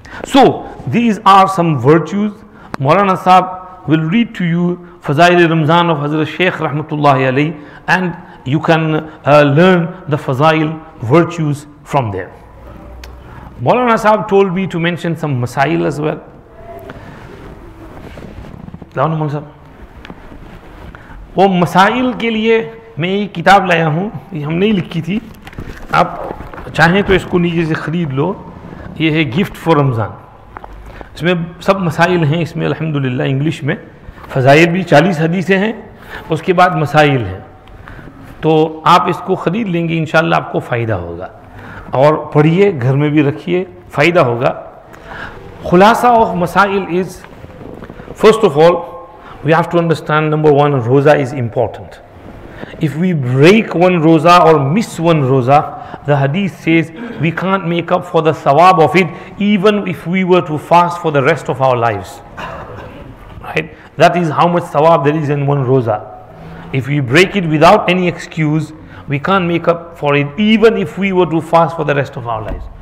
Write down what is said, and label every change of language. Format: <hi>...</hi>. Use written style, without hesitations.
<en>So these are some virtues. Maulana Sahab will read to you Fazail-e-Ramzan of Hazrat Shaykh Rahmatullahi Alayhi, and you can learn the Fazail virtues from there. Maulana Sahab told me to mention some Masail as well.</en> <ur>وہ مسائل کے لیے میں ایک کتاب لیا ہوں یہ ہم نے لکھی تھی آپ چاہیں تو اس کو نیچے سے خرید لو یہ ہے گفٹ فور رمضان اس میں سب مسائل ہیں اس میں الحمدللہ انگلش میں فضائل بھی 40 حدیثیں ہیں اس کے بعد مسائل ہیں تو آپ اس کو خرید لیں گے انشاءاللہ آپ کو فائدہ ہوگا اور پڑھئے گھر میں بھی رکھئے فائدہ ہوگا خلاصہ اور مسائل</ur> <en>is first of all we have to understand, number one, roza is important. If we break one roza or miss one roza, the hadith says we can't make up for the sawab of it even if we were to fast for the rest of our lives. Right? That is how much sawab there is in one roza. If we break it without any excuse, we can't make up for it even if we were to fast for the rest of our lives.</en>